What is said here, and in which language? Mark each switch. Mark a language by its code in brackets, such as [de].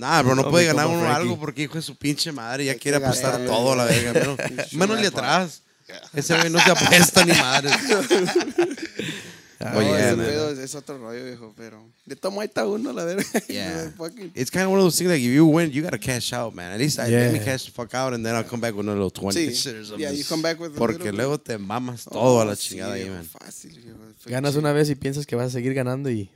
[es] Nah, bro, no puede ganar uno algo porque hijo de su pinche madre. Ya quiere apostar todo a la verga. Menos le atrás. Ese güey no se apuesta ni madre. Oh, yeah, es otro rollo, viejo, pero de tomo ahí está uno, la verdad. [en] Yeah. It's kind of one of those things that if you win, you gotta cash out, man. At least let me cash the fuck out and then I'll come back with a little 20. Sí. Yeah, you come back with [es] porque [en] little... [es] luego te mamas todo a la chingada, sí, ahí, man. Fácil, viejo. Ganas chico. Una vez y piensas que vas a seguir ganando y